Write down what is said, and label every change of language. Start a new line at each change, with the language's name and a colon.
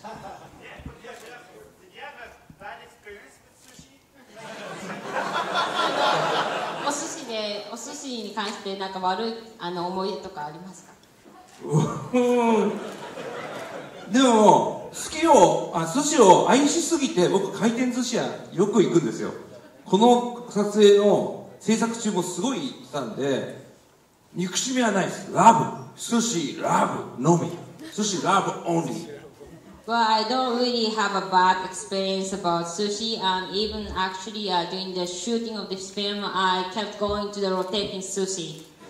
English: Did you have a bad experience with sushi?
Japanese: お寿司に関して何か悪い思い出とかありますか？でも、寿司を愛しすぎて僕回転寿司屋よく行くんですよ。この撮影の制作中もすごい行ってたんで、憎しみはないです。
English: ラブ。Sushi love no me. Sushi love only. Well, I don't really have a bad experience about sushi. And even actually during the shooting of this film, I kept going to the rotating sushi.